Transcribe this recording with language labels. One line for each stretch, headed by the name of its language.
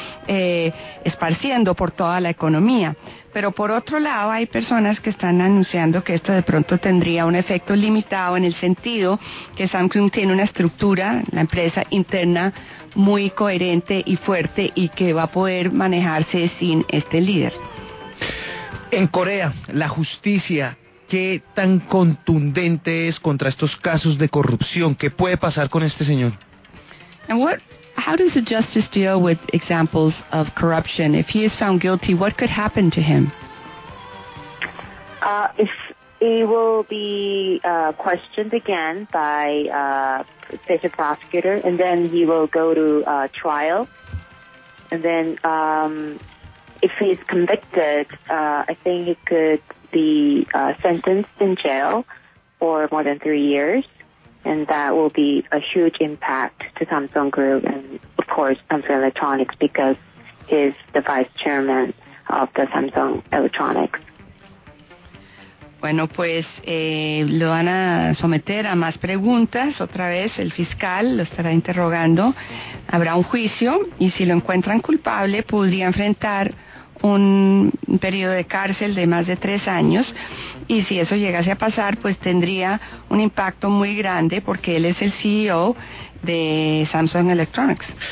Spanish: esparciendo por toda la economía. Pero por otro lado, hay personas que están anunciando que esto de pronto tendría un efecto limitado, en el sentido que Samsung tiene una estructura, la empresa interna, muy coherente y fuerte, y que va a poder manejarse sin este líder. En Corea, la justicia, ¿qué tan contundente es contra estos casos de corrupción? ¿Qué puede pasar con este señor?
English: How does the justice deal with examples of corruption? If he is found guilty, what could happen to him? If he will be questioned again by the prosecutor, and then he will go to trial, and then if he is convicted, I think he could be sentenced in jail for more than 3 years. And that will be a huge impact to Samsung Group and, of course, Samsung Electronics, because he's the vice chairman of the Samsung Electronics.
Spanish: Bueno, pues lo van a someter a más preguntas. Otra vez, el fiscal lo estará interrogando. Habrá un juicio, y si lo encuentran culpable, podría enfrentar un periodo de cárcel de más de 3 años, y si eso llegase a pasar, pues tendría un impacto muy grande, porque él es el CEO de Samsung Electronics.